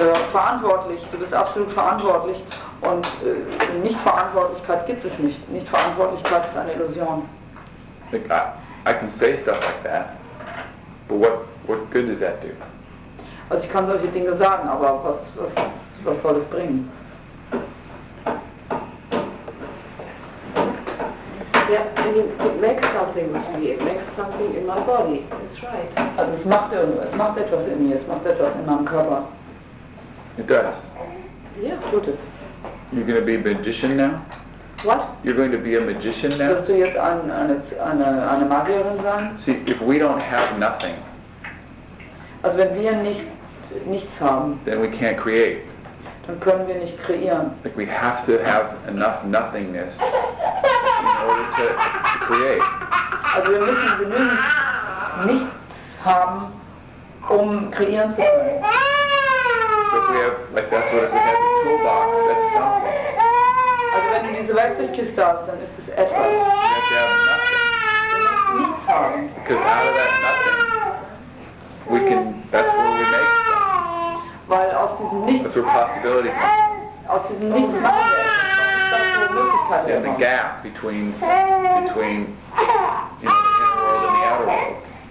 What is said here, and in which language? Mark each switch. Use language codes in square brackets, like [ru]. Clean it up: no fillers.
[de] verantwortlich, du bist absolut verantwortlich und Nichtverantwortlichkeit gibt es nicht. Nichtverantwortlichkeit ist eine Illusion. [en] I can say stuff like that, but what good does that do? [de] Also ich kann solche Dinge sagen, aber was soll es bringen? [en] Yeah, I mean, it makes something with me, it makes something in my body, that's right. [de] Also es macht irgendwas, es macht etwas in mir, es macht etwas in meinem Körper. [en] It does? [de] Yeah, tut es. [en] You're going to be a magician now? What? You're going to be a magician now? [de] Wirst du jetzt eine Magierin sein? [en] See, if we don't have nothing. [de] Also wenn wir nichts haben. [en] Then we can't create. [de] Dann können wir nicht kreieren. [en] Like we have to have enough nothingness. To create. [de] Also wir müssen genügend nichts haben, um kreieren zu können. [en] So if we have, like that's what we have, a toolbox, that's something. [de] Also wenn du diese Werkzeugkiste hast, dann ist es etwas. [en] You have to have nothing. [de] Nichts haben. [en] Because out of that nothing, we can, that's where we make stuff. [de] Weil aus diesem Nichts, [en] that's where possibility comes. [de] Aus diesem Nichts machen wir etwas. [en] See, and the gap between you know, the inner world and the outer world.